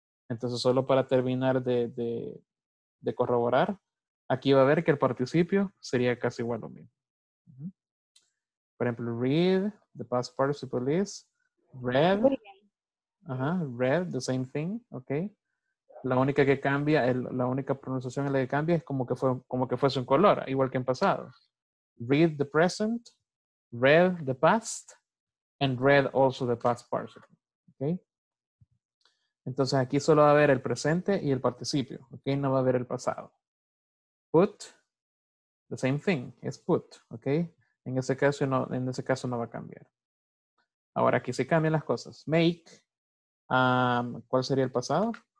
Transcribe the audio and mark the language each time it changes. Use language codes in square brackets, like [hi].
[es] Entonces, solo para terminar de corroborar, aquí va a ver que el participio sería casi igual a lo mismo. Uh-huh. Por ejemplo, [en] read, the past participle is, read, read, the same thing, ¿ok? [es] La única que cambia, la única pronunciación en la que cambia es como que fuese un color, igual que en pasado. [en] Read the present, read the past, and read also the past participle. Okay? [es] Entonces aquí solo va a haber el presente y el participio. Okay? No va a haber el pasado. Put, [en] the same thing, [es] es put. Okay? En ese caso no va a cambiar. Ahora aquí se cambian las cosas. Make, ¿cuál sería el pasado?